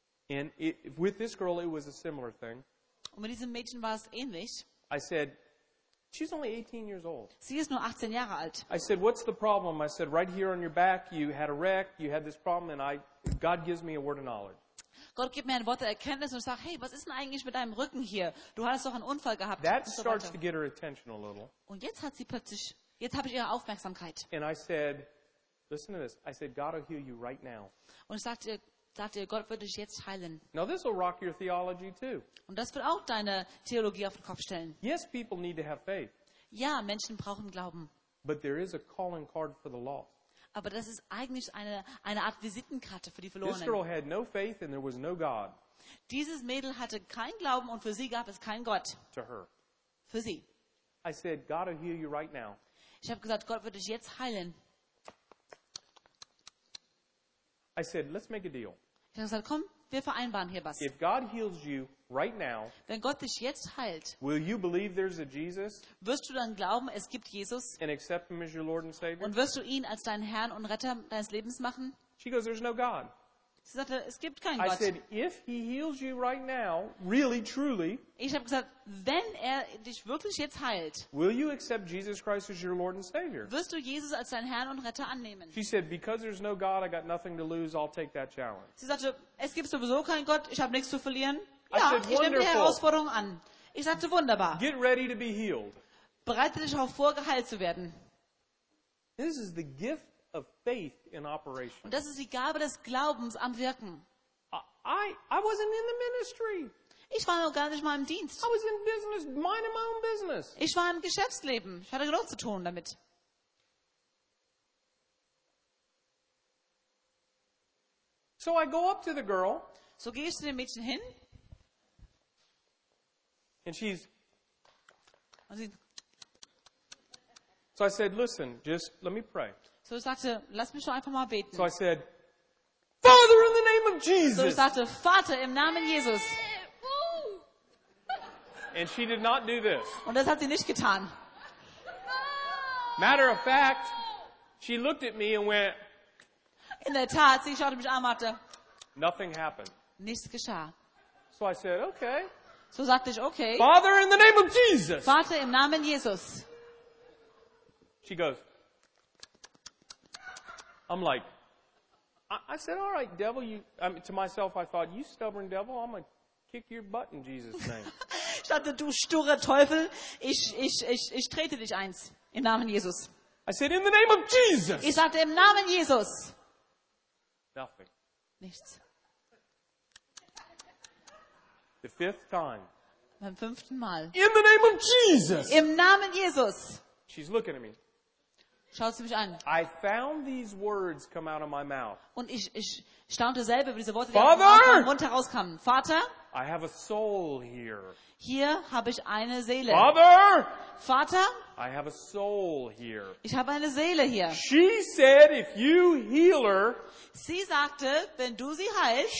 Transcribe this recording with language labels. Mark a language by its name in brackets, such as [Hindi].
[English] And with this girl, it was a similar thing. [German] Und mit diesem Mädchen war es ähnlich. [English] I said, she's only 18 years old. [German] Sie ist nur 18 Jahre alt. [English] I said, what's the problem? I said, right here on your back, you had a wreck, you had this problem, and God gives me a word of knowledge. [German] Gott gibt mir ein Wort der Erkenntnis und sagt, hey, was ist denn eigentlich mit deinem Rücken hier? Du hast doch einen Unfall gehabt. [English] That starts to get her attention a little. [German] Und jetzt habe ich ihre Aufmerksamkeit. [English] And I said, listen to this. I said, God will heal you right now. [German] Und ich sagte ihr, Gott wird dich jetzt heilen. [English] Now this will rock your theology too. [German] Und das wird auch deine Theologie auf den Kopf stellen. [English] Yes, people need to have faith. [German] Ja, Menschen brauchen Glauben. [English] But there is a calling card for the lost. [German] Aber das ist eigentlich eine Art Visitenkarte für die Verlorenen. [English] This girl had no faith and there was no God. [German] Dieses Mädel hatte keinen Glauben und für sie gab es keinen Gott. [English] To her. [German] Für sie. [English] I said, God will heal you right now. [German] Ich habe gesagt, Gott wird dich jetzt heilen. [English] I said, let's make a deal. [German] Ich habe gesagt, komm, wir vereinbaren hier was. [English] If God heals you right now, [German] wenn Gott dich jetzt heilt, [English] will you believe there's a Jesus? [German] Wirst du dann glauben, es gibt Jesus? [English] And accept him as your Lord and Savior? [German] Und wirst du ihn als deinen Herrn und Retter deines Lebens machen? [English] She goes, there's no God. [German] Sie sagte, es gibt keinen Gott. [English] I said, if he heals you right now, really, truly, [German] ich habe gesagt, wenn er dich wirklich jetzt heilt, [English] will you accept Jesus Christ as your Lord and Savior? [German] Wirst du Jesus als deinen Herrn und Retter annehmen? [English] She said, because there's no God, I got nothing to lose, I'll take that challenge. [German] Sie sagte, es gibt sowieso keinen Gott, ich habe nichts zu verlieren. Ja, ich nehme die Herausforderung an. Ich sagte, wunderbar. [English] Get ready to be healed. [German] Bereite dich darauf vor, geheilt zu werden. [English] This is the gift of faith in operation. [German] Und das ist die Gabe des Glaubens am Wirken. [English] I wasn't in the ministry. [German] Ich war noch gar nicht mal im Dienst. [English] I was in business, minding my own business. [German] Ich war im Geschäftsleben. Ich hatte genug zu tun damit. [English] So I go up to the girl. [German] So gehe ich zu dem Mädchen hin. [English] And she's. So I said, listen, just let me pray. [German] So ich sagte, lass mich doch einfach mal beten. [English] So I said, Father, in the name of Jesus. [German] So ich sagte, Vater, im Namen Jesus. [English] And she did not do this. [German] Und das hat sie nicht getan. [English] Matter of fact, she looked at me and went. [German] In der Tat, sie schaute mich an und sagte, [English] nothing happened. [German] Nichts geschah. [English] So I said, okay. [German] So sagte ich, okay. [English] Father, in the name of Jesus. [German] Vater, im Namen Jesus. [English] She goes, I'm like, I said, all right, devil, to myself, I thought, you stubborn devil, I'm going to kick your butt in Jesus' name. [German] Ich dachte, du sturer Teufel, ich trete dich eins, im Namen Jesus. [English] I said, in the name of Jesus. [German] Ich sagte, im Namen Jesus. [English] Nothing. [German] Nichts. [English] The fifth time. [German] Beim fünften Mal. [English] In the name of Jesus. [German] Im Namen Jesus. [English] She's looking at me. [German] Schaut sie mich an. [English] I found these words come out of my mouth. [German] Und ich staunte selber über diese Worte, die [English] Father, [German] aus meinem Mund herauskamen. Vater, [English] I have a soul here. [German] Hier habe ich eine Seele. [English] Father, [German] Vater, [English] I have a soul here. [German] Ich habe eine Seele hier. [English] She said, if you heal her, [German] sie sagte, wenn du sie heilst,